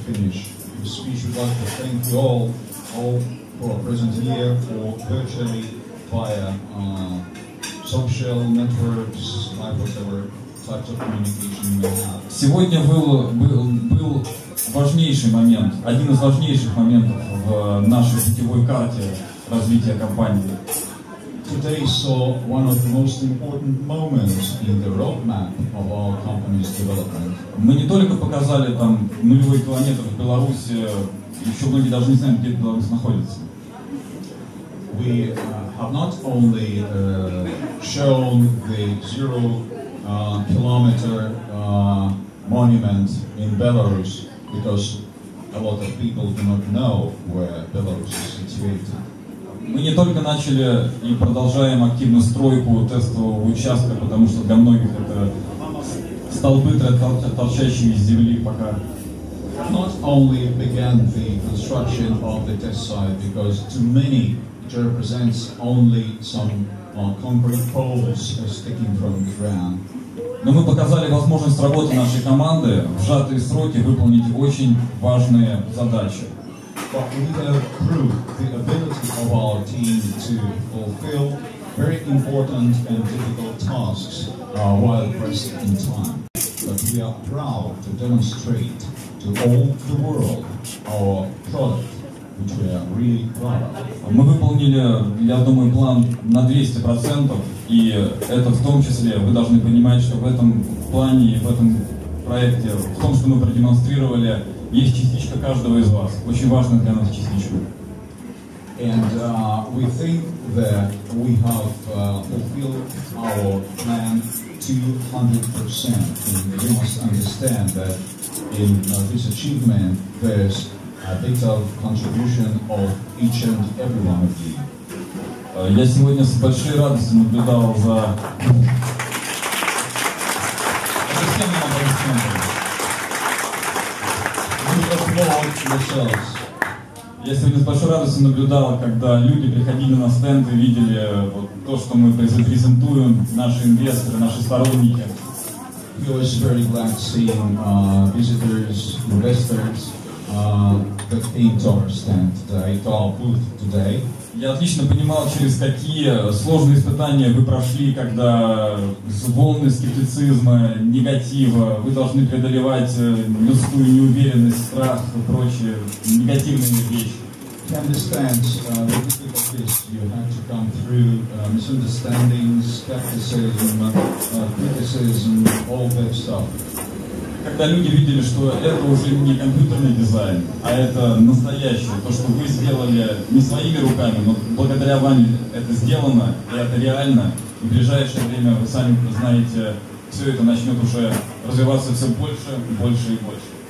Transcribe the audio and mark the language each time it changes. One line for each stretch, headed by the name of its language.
English: Speech would like to thank you all who are present here for virtually via social networks, like whatever types of communication you may have.
Russian: Сегодня был важнейший момент, один из важнейших моментов в нашей сетевой карте развития компании.
English: Today saw one of the most important moments in the roadmap of our company's development.
Russian: Мы не только показали там нулевые километры в Беларуси, еще многие даже не знают, где Беларусь находится.
English: We have not only shown the zero kilometer monument in Belarus, because a lot of people do not know where Belarus is situated.
Russian: Мы не только начали и продолжаем активную стройку тестового участка, потому что для многих это столбы, торчащие из земли пока.
English: Not only began the construction of the test site, because to many it represents only some concrete poles sticking from the ground.
Russian: Но мы показали возможность работы нашей команды в сжатые сроки выполнить очень важные задачи.
English: But we have proved the ability of our team to fulfill very important and difficult tasks while pressed in time. But we are proud to demonstrate to all the world our product, which we are really proud of.
Russian: Мы выполнили, я думаю, план на 200%, и это в том числе, вы должны понимать, что в этом плане и в этом проекте, в том, что мы продемонстрировали, есть частичка каждого из вас, очень важная для нас частичка.
English: And we think that we have fulfilled our plan 200%. And you must understand that in this achievement, there's a bit of contribution of each and every one of you.
Russian: Я сегодня с большой радостью наблюдал за всеми аплодисментами. Я сегодня с большой радостью наблюдал, когда люди приходили на стенд и видели вот то, что мы презентуем, наши инвесторы, наши сторонники.
English: He was very glad seeing visitors, investors, that came to our stand today, to our booth today.
Russian: Я отлично понимал, через какие сложные испытания вы прошли, когда волны скептицизма, негатива, вы должны преодолевать людскую неуверенность, страх и прочие негативные вещи.
English: You understand the difficulties you had to come through, misunderstandings, skepticism, criticism, all that stuff.
Russian: Когда люди видели, что это уже не компьютерный дизайн, а это настоящее, то, что вы сделали не своими руками, но благодаря вам это сделано, и это реально, и в ближайшее время, вы сами знаете, все это начнет уже развиваться все больше, больше и больше.